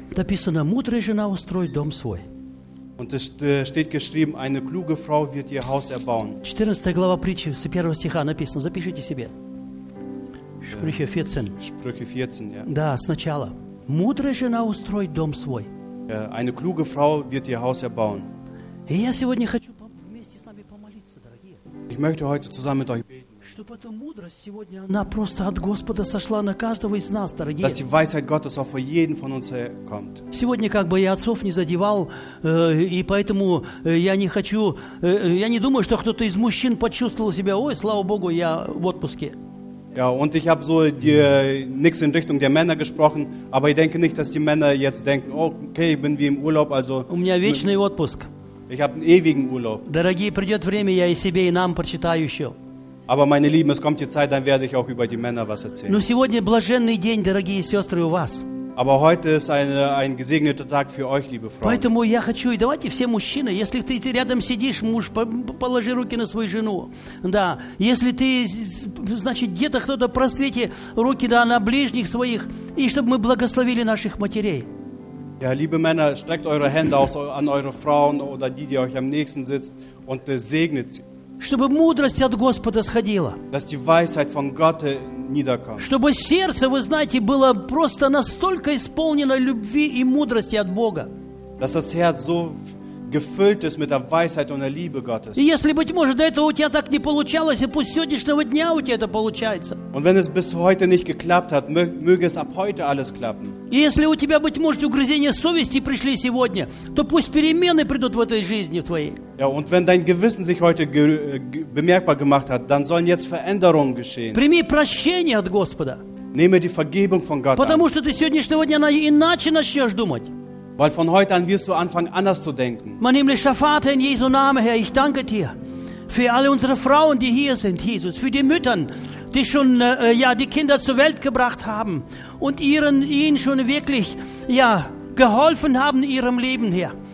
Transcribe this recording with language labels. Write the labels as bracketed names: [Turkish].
[Russian] Написано, мудрая жена устроит дом свой. [German] Und es steht geschrieben, eine kluge Frau wird ihr Haus erbauen. [Russian] 14. глава притчи, с 1 стиха написано, запишите себе. [German] Sprüche 14. Sprüche 14, ja. [Russian] Да, сначала. Мудрая жена устроит дом свой. [German] Eine kluge Frau wird ihr Haus erbauen. [Russian] И я сегодня хочу вместе с нами помолиться, дорогие. [German] Ich möchte heute zusammen mit euch beten. [Russian] Чтобы эта мудрость сегодня, она просто от Господа сошла на каждого из нас, дорогие. [German] Dass die Weisheit Gottes auf jeden von uns kommt. [Russian] Сегодня как бы я отцов не задевал, и поэтому я не хочу, я не думаю, что кто-то из мужчин почувствовал себя, ой, слава Богу, я в отпуске. [German] Ja, und ich habe so nichts in Richtung der Männer gesprochen, aber ich denke nicht, dass die Männer jetzt denken, okay, ich bin wie im Urlaub, also... [Russian] У меня вечный отпуск. [German] Ich habe einen ewigen Urlaub. [Russian] Дорогие, придет время, я и себе, и нам прочитаю еще. [German] Aber meine Lieben, es kommt die Zeit, dann werde ich auch über die Männer was erzählen. [Russian] Но сегодня блаженный день, дорогие сестры, у вас. [German] Aber heute ist ein gesegneter Tag für euch, liebe Frauen. [Russian] Поэтому я хочу, и давайте все мужчины, если ты рядом сидишь, муж, положи руки на свою жену. Да, если ты, значит, где-то кто-то прострите руки, да, на ближних своих, и чтобы мы благословили наших матерей. [German] Ja, liebe Männer, streckt eure Hände auch an eure Frauen oder die, die euch am nächsten sitzt, und segnet sie. [Russian] Чтобы мудрость от Господа сходила. [German] Dass die Weisheit von Gott niederkommt. [Russian] Чтобы сердце, вы знаете, было просто настолько исполнено любви и мудрости от Бога. [German] Dass das Herz so gefüllt ist mit der Weisheit und der Liebe Gottes. [Russian] И если, быть может, до этого у тебя так не получалось, и пусть с сегодняшнего дня у тебя это получается. [German] Und wenn es bis heute nicht geklappt hat, möge es ab heute alles klappen. [Russian] И если у тебя, быть может, угрызения совести пришли сегодня, то пусть перемены придут в этой жизни твоей. [German] Ja, und wenn dein Gewissen sich heute bemerkbar gemacht hat, dann sollen jetzt Veränderungen geschehen. [Russian] Прими прощение от Господа. [German] Nehme die Vergebung von Gott [Russian] Потому [German] an. [Russian] Что ты с сегодняшнего дня иначе начнешь думать. [German] Weil von heute an wirst du anfangen, anders zu denken. Mein himmlischer Vater, in Jesu Namen, Herr, ich danke dir für alle unsere Frauen, die hier sind, Jesus, für die Mütter, die schon die Kinder zur Welt gebracht haben und ihnen schon wirklich geholfen haben in ihrem Leben, Herr.